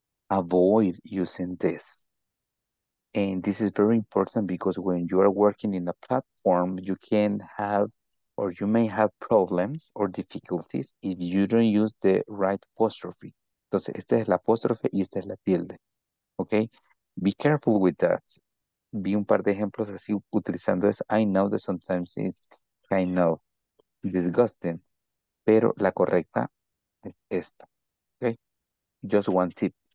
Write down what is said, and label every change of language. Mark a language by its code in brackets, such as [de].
[en] Avoid using this. And this is very important because when you are working in a platform, you can have or you may have problems or difficulties if you don't use the right apostrophe. [es] Entonces, esta es la apóstrofe y esta es la tilde. Okay? [en] Be careful with that. [es] Vi un par de ejemplos así utilizando eso. [en] I know that sometimes it's kind of disgusting. [es] Pero la correcta es esta. Okay? [en] Just one tip.